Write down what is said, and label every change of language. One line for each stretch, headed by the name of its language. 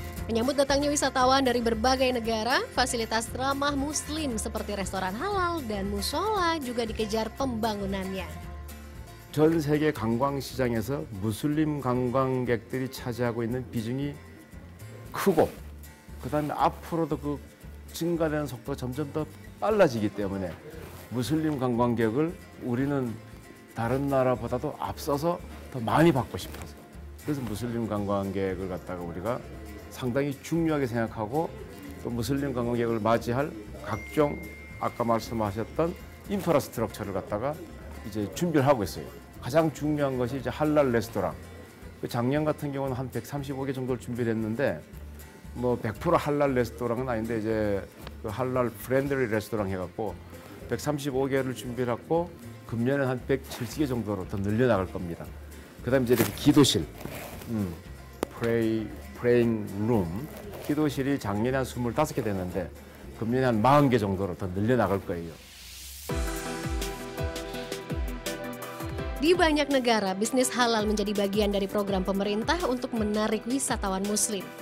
Indonesian: Menyambut datangnya wisatawan dari berbagai negara, fasilitas ramah muslim seperti restoran halal dan musola juga dikejar pembangunannya.
Korean: 전 세계 관광 시장에서 무슬림 관광객들이 차지하고 있는 비중이 크고 그다음에 앞으로도 그 증가되는 속도가 점점 더 빨라지기 때문에 무슬림 관광객을 우리는 다른 나라보다도 앞서서 더 많이 받고 싶어서 그래서 무슬림 관광객을 갖다가 우리가 상당히 중요하게 생각하고 또 무슬림 관광객을 맞이할 각종 아까 말씀하셨던 인프라스트럭처를 갖다가 이제 준비를 하고 있어요. 가장 중요한 것이 이제 할랄 레스토랑. 작년 같은 경우는 한 135개 정도를 준비를 했는데 뭐 100% 할랄 레스토랑은 아닌데 이제 그 할랄 프렌들리 레스토랑 해갖고 135개를 준비를 했고 금년에 한 170개 정도로 더 늘려나갈 겁니다. 그 다음에 이제 이렇게 기도실,
English: praying room.
Korean: 기도실이 작년에 한 25개 됐는데 금년에 한 40개 정도로 더 늘려나갈 거예요.
Indonesian: Di banyak negara, bisnis halal menjadi bagian dari program pemerintah untuk menarik wisatawan muslim.